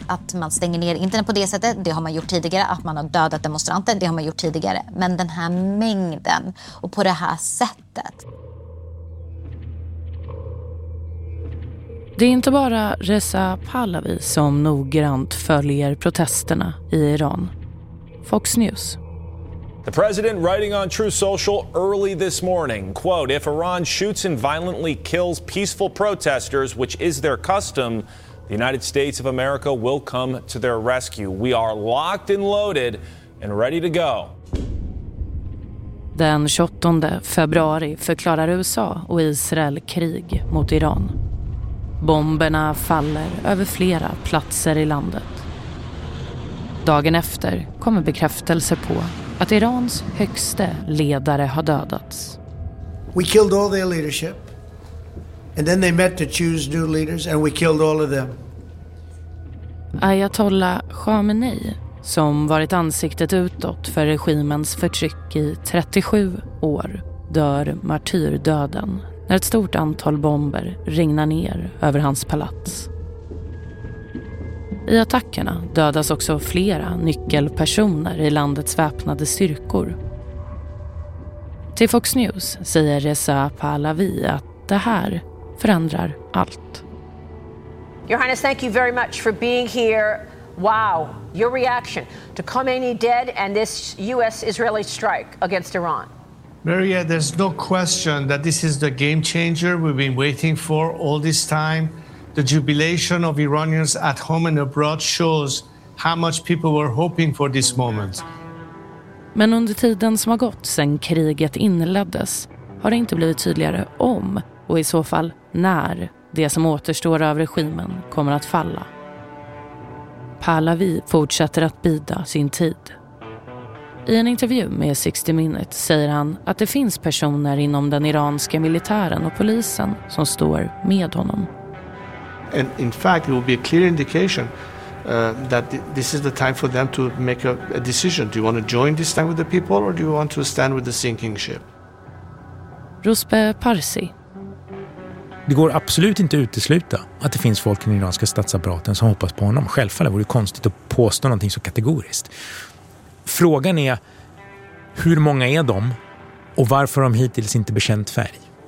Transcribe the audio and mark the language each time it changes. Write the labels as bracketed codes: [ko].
[sv] Att man stänger ner internet på det sättet, det har man gjort tidigare. Att man har dödat demonstranter, det har man gjort tidigare. Men den här mängden och på det här sättet. Det är inte bara Reza Pahlavi som noggrant följer protesterna i Iran. [en] Fox News. The president writing on True Social early this morning, quote, if Iran shoots and violently kills peaceful protesters, which is their custom, the United States of America will come to their rescue. We are locked and loaded and ready to go. [sv] Den 28 februari förklarar USA och Israel krig mot Iran. Bomberna faller över flera platser i landet. Dagen efter kommer bekräftelser på att Irans högste ledare har dödats. [en] We killed all their leadership. And then they met to choose new leaders and we killed all of them. [sv] Ayatollah Khamenei, som varit ansiktet utåt för regimens förtryck i 37 år, dör martyrdöden när ett stort antal bomber regnar ner över hans palats. I attackerna dödas också flera nyckelpersoner i landets väpnade styrkor. Till Fox News säger Reza Pahlavi att det här förändrar allt. [en] Your Highness, thank you very much for being here. Wow, your reaction to Khamenei dead and this US-Israeli strike against Iran. Maria, there's no question that this is the game changer we've been waiting for all this time. The jubilation of Iranians at home and abroad shows how much people were hoping for this moment. [sv] Men under tiden som har gått sedan kriget inleddes har det inte blivit tydligare om och i så fall när det som återstår av regimen kommer att falla. Pahlavi fortsätter att bida sin tid. I en intervju med 60 Minutes säger han att det finns personer inom den iranska militären och polisen som står med honom. [en] And in fact, it will be a clear indication that this is the time for them to make a decision. Do you want to join this time with the people or do you want to stand with the sinking ship? [sv] Rusbe Parsi. Det går absolut inte att utesluta att det finns folk i den iranska statsapparaten som hoppas på honom. Självfallet vore det konstigt att påstå någonting så kategoriskt. Frågan är, hur många är de och varför de hittills inte bekänt färg?